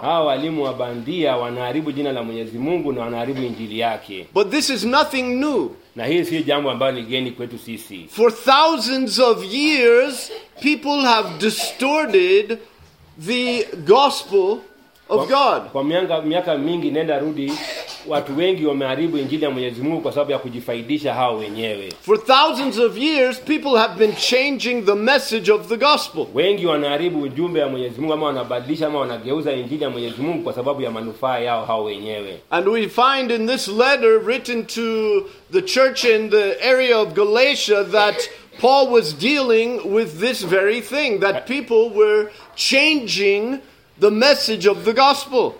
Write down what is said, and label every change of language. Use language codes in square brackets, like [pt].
[sw] Hawa walimu wa bandia wanaharibu jina la Mwenyezi Mungu na wanaharibu injili yake. [en] But this is nothing new. [sw] Na hii si jambo ambalo ni geni kwetu sisi. [en] For thousands of years, people have distorted the gospel of God. [sw] Kwa miaka mingi nenda rudi watu wengi wameharibu injili ya Mwenyezi Mungu kwa sababu ya kujifaidisha hao wenyewe. [en] For thousands of years people have been changing the message of the gospel. [sw] Wengi wanaharibu ujumbe wa Mwenyezi Mungu ama wanabadilisha ama wanageuza injili ya Mwenyezi Mungu kwa sababu ya manufaa yao hao wenyewe. [en] And we find in this letter written to the church in the area of Galatia that Paul was dealing with this very thing, that people were changing the message of the gospel.